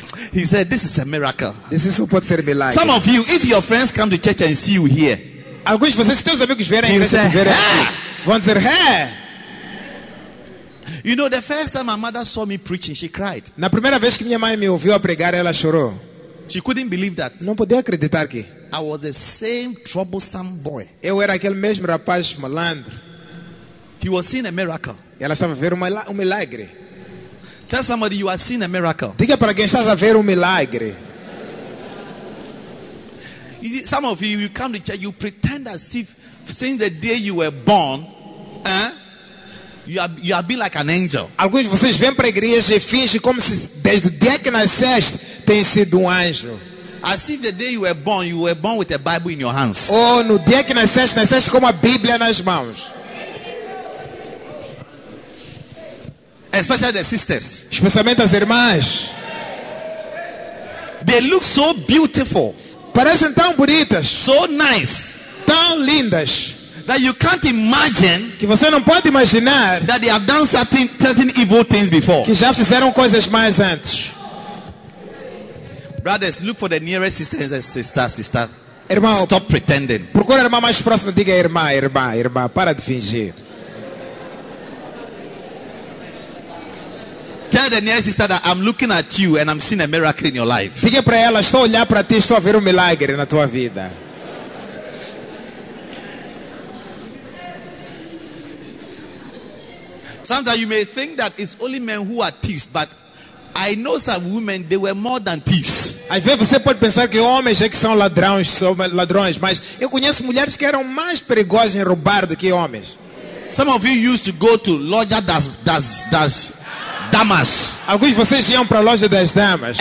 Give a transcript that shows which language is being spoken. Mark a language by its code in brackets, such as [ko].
[en] He said, this is a miracle. This is what [pt] pode ser milagre. [en] Some of you, if your friends come to church and see you here. [pt] Alguns de vocês, teus amigos vierem aqui. [en] Say, hey. [pt] Vão dizer, hey. [en] You know, the first time my mother saw me preaching, she cried. [pt] Na primeira vez que minha mãe me ouviu a pregar, ela chorou. [en] She couldn't believe that. [pt] Não podia acreditar que. [en] I was the same troublesome boy. [pt] Eu era aquele mesmo rapaz malandro. [en] He was seeing a miracle. [pt] Ela estava a ver um milagre. [en] Tell somebody you are seeing a miracle. [pt] Diga para quem estás a ver um milagre. [en] You see, some of you come to church, you pretend as if since the day you were born, you are being like an angel. [pt] Alguns de vocês vêm para a igreja e fingem como se desde o dia que nasceste tem sido anjo. [en] As if the day you were born with a Bible in your hands. [pt] Oh, no dia que nasceste, nasceste com a Bíblia nas mãos. [en] Especially the sisters. [pt] Especialmente as irmãs. [en] They look so beautiful. [pt] Parecem tão bonitas. [en] So nice. [pt] Tão lindas. [en] That you can't imagine. [pt] Que você não pode imaginar. [en] That they have done certain evil things before. [pt] Que já fizeram coisas mais antes. [en] Brothers, look for the nearest sisters and sister. [pt] Irmão, [en] stop pretending. [pt] Procura a irmã mais próxima, diga irmã, para de fingir. [en] Tell the nearest sister that I'm looking at you and I'm seeing a miracle in your life. [pt] Fique para ela, estou olhar para ti, estou a ver milagre na tua vida. [en] Sometimes you may think that it's only men who are thieves, but I know some women, they were more than thieves. [pt] Às vezes você pode pensar que homens é que são ladrões, mas eu conheço mulheres que eram mais perigosas em roubar do que homens. [en] Some of you used to go to Loja das Damas. [pt] Alguns de vocês iam para a Loja das Damas.